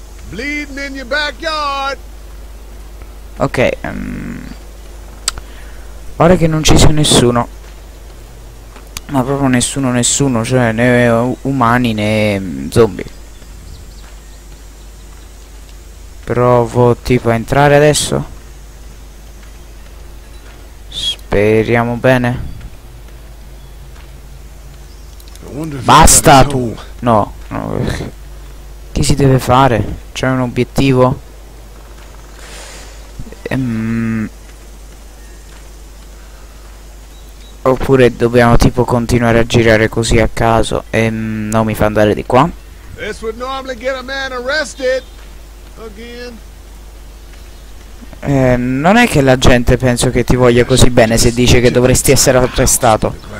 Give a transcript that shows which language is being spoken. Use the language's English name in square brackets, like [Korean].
[English] Bleeding in your backyard. [Italian] Ok, pare che non ci sia nessuno. Ma proprio nessuno, nessuno, cioè né umani né zombie. Provo tipo a entrare adesso. Speriamo bene. Basta tu! No, no. Che si deve fare? C'è un obiettivo? Oppure dobbiamo tipo continuare a girare così a caso e non mi fa andare di qua. [English] This would normally get a man arrested again. [Italian] Non è che la gente penso che ti voglia così bene se dice che dovresti essere arrestato.